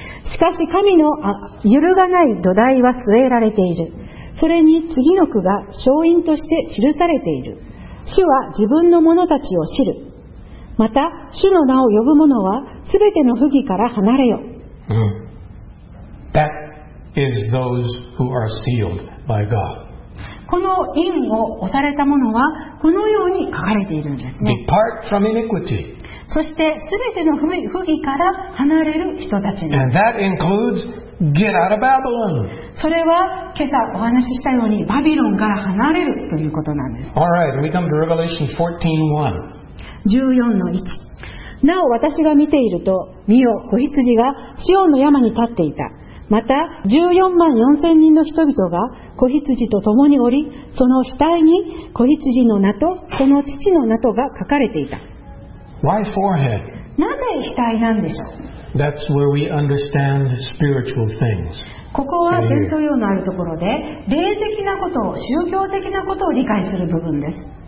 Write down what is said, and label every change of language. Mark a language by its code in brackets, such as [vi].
[ja] しかし神の揺るがない土台は据えられている。それに次の句が証印として記されている。主は自分の者たちを知る。また主の名を呼ぶ者はすべての不義から離れよ。 [en] That is those who are sealed by God. [ja] この印を押された者はこのように書かれているんですね。 [en] Depart from iniquity. [ja] そしてすべての不義から離れる人たちです。 [en] And that includes get out of Babylon. [ja] それは今朝お話ししたようにバビロンから離れるということなんです。 [en] All right, we come to Revelation 14:1. [ja] 14-1 なお私が見ていると見よ子羊がシオンの山に立っていた。また14万4千人の人々が子羊と共におり、その額に子羊の名とその父の名とが書かれていた。 [en] Why forehead? [ja] なぜ額なんでしょう。 [en] That's where we understand spiritual things. [ja] ここは伝統用のあるところで、霊的なことを宗教的なことを理解する部分です。